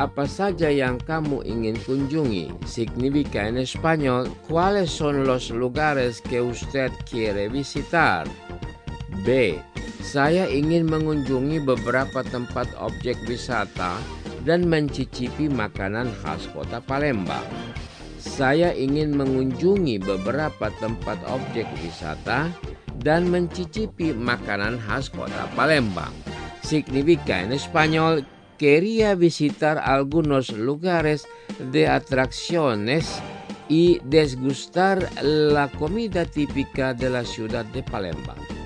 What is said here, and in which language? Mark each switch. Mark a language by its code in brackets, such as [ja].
[id] Tempat apa saja yang kamu ingin kunjungi? [es] Significa en español, ¿cuáles son los lugares que usted quiere visitar? B. [id] Saya ingin mengunjungi beberapa tempat objek wisata dan mencicipi makanan khas kota Palembang. Saya ingin mengunjungi beberapa tempat objek wisata dan mencicipi makanan khas kota Palembang. [es] Significa en español, quería visitar algunos lugares de atracciones y degustar la comida típica de la ciudad de Palembang.